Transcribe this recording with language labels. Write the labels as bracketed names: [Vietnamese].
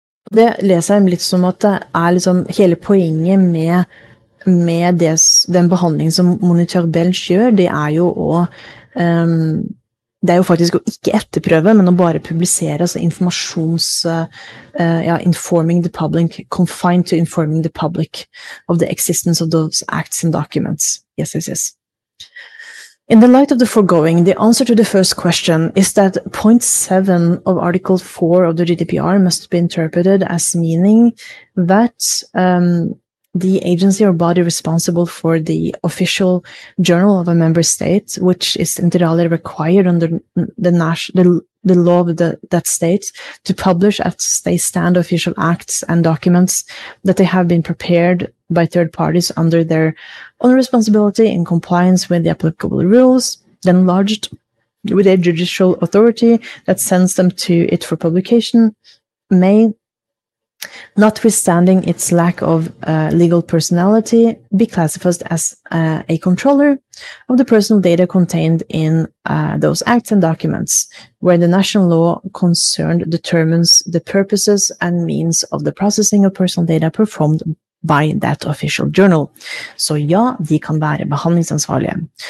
[Norwegian] Det leser jeg litt som at det liksom hele poenget med den behandling som Moniteur Belge gjør, det jo å det jo faktisk å ikke etterprøve, men å bare publisere altså informasjons [English] informing the public confined to informing the public of the existence of those acts and documents. Yes, yes, yes. In the light of the foregoing, the answer to the first question is that point 7 of article 4 of the GDPR must be interpreted as meaning that the agency or body responsible for the official journal of a member state, which is inter alia required under the law of that state, to publish as they stand official acts and documents that they have been prepared by third parties under their own responsibility in compliance with the applicable rules, then lodged with a judicial authority that sends them to it for publication, may notwithstanding its lack of legal personality, be classified as a controller of the personal data contained in those acts and documents, where the national law concerned determines the purposes and means of the processing of personal data performed by that official journal. [Norwegian] Så ja, de kan være behandlingsansvarlige.